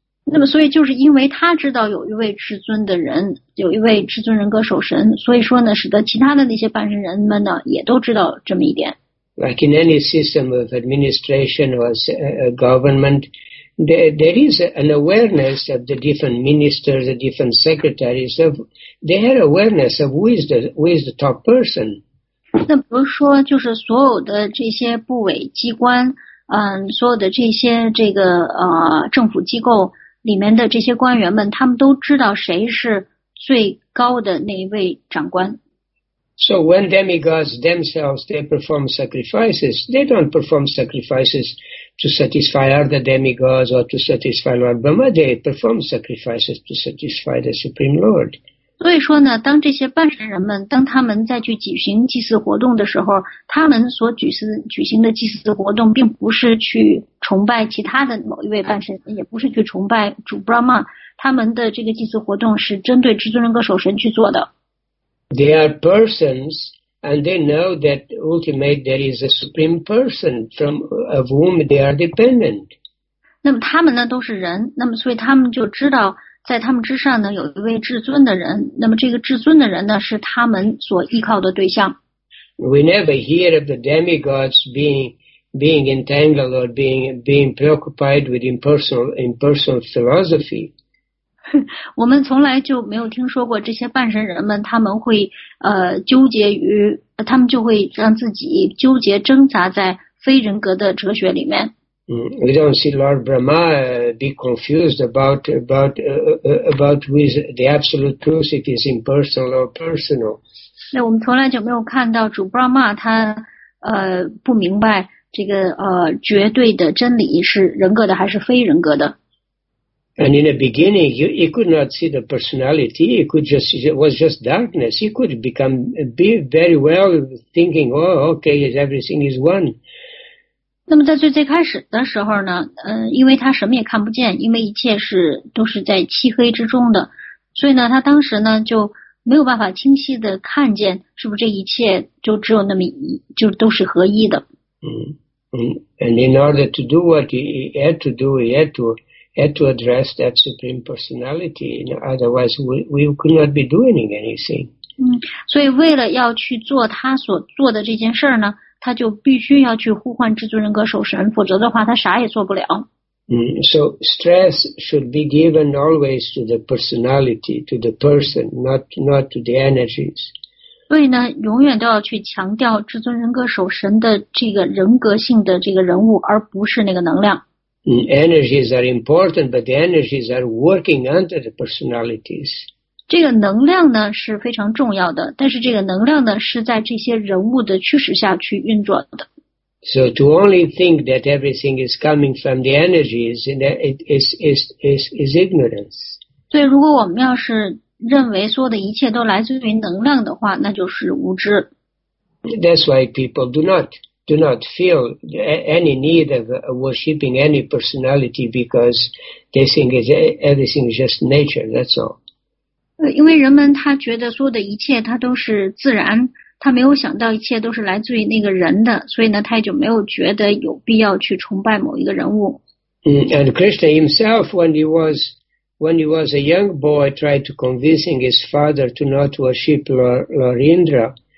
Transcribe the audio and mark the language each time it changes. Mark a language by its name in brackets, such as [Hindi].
[Chinese] 那么所以就是因为他知道有一位至尊的人，有一位至尊人格守神，所以说呢，使得其他的那些半神人们呢，也都知道这么一点。 [English] Like in any system of administration or government, there is an awareness of the different ministers, the different secretaries, of their awareness of who is the top person. [Chinese] 那比如说就是所有的这些部委机关，所有的这些这个政府机构里面的这些官员们，他们都知道谁是最高的那一位长官。 [English] So when demigods themselves they perform sacrifices, they don't perform sacrifices to satisfy other demigods or to satisfy Lord Brahma. They perform sacrifices to satisfy the Supreme Lord. [Chinese] 所以说呢，当这些半神人们当他们在去举行祭祀活动的时候，他们所举行的祭祀活动，并不是去崇拜其他的某一位半神，也不是去崇拜主 Brahma， 他们的这个祭祀活动是针对至尊人格守神去做的。 [English] They are persons, and they know that ultimately there is a supreme person from of whom they are dependent. [Chinese] 那么他们呢都是人，那么所以他们就知道，在他们之上呢有一位至尊的人，那么这个至尊的人呢是他们所依靠的对象。 [English] We never hear of the demigods being entangled or being preoccupied with impersonal philosophy. [Chinese] 我们从来就没有听说过这些半神人们他们会纠结于，他们就会让自己纠结挣扎在非人格的哲学里面。 [English] We don't see Lord Brahma be confused about who is the absolute truth, if it's impersonal or personal. [Chinese] 那我们从来就没有看到主 Brahma 他不明白这个绝对的真理是人格的还是非人格的。 [English] And in the beginning, he could not see the personality. He could just, it was just darkness. He could become be very well thinking, oh, okay, everything is one. [Chinese] 那么在最开始的时候呢，因为他什么也看不见，因为一切是都是在漆黑之中的，所以呢，他当时呢就没有办法清晰的看见，是不是这一切就只有那么一，就都是合一的。 [English] And in order to do what he had to do, he had to address that supreme personality, otherwise we could not be doing anything. [Chinese] 所以为了要去做他所做的这件事呢。他就必须要去呼唤至尊人格守神，否则的话他啥也做不了。 [English] So stress should be given always to the personality, to the person, not to the energies. [Chinese] 所以呢，永远都要去强调至尊人格守神的这个人格性的这个人物，而不是那个能量。 [English] Energies are important, but the energies are working under the personalities. [Chinese] 这个能量呢是非常重要的，但是这个能量呢是在这些人物的驱使下去运转的。 [English] So to only think that everything is coming from the energies, and that it is ignorance. [Chinese] 所以，如果我们要是认为所有的一切都来自于能量的话，那就是无知。 [English] That's why people do not feel any need of worshipping any personality because they think everything is just nature. That's all. [Chinese] 因为人们他觉得所有的一切它都是自然。他没有想到一切都是来自于那个人的，所以呢，他也就没有觉得有必要去崇拜某一个人物。 [English] And Krishna himself, when he was a young boy, tried to convince his father to not worship Lord Indra.